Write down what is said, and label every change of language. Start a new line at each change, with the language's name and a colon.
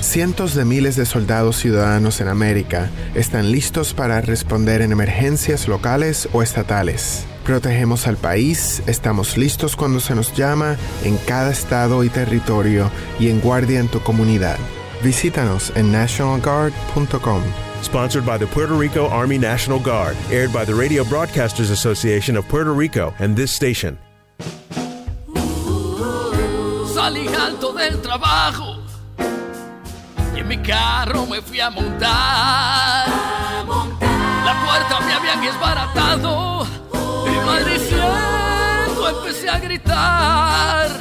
Spanish: Cientos de miles de soldados ciudadanos en América están listos para responder en emergencias locales o estatales. Protegemos al país, estamos listos cuando se nos llama, en cada estado y territorio, y en guardia en tu comunidad. Visítanos en nationalguard.com.
English: Sponsored by the Puerto Rico Army National Guard. Aired by the Radio Broadcasters Association of Puerto Rico and this station. We'll be right back.
Spanish: alto del trabajo y en mi carro me fui a montar. La puerta me habían desbaratado y maldiciendo empecé a gritar.